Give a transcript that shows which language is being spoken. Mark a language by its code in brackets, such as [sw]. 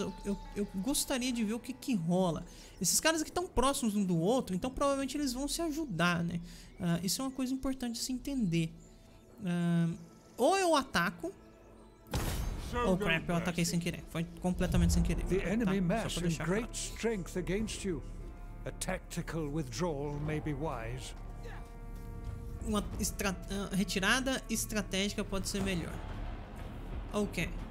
[pt] Eu gostaria de ver o que rola. Esses caras aqui estão próximos um do outro, então provavelmente eles vão se ajudar, né? Isso é uma coisa importante de se entender. Ou eu ataco. [en] Oh crap, [pt] eu ataquei sem querer. Foi completamente sem querer. [en] The enemy mass in great strength against you. A tactical withdrawal may be wise. [pt] Uma retirada estratégica pode ser melhor. Ok.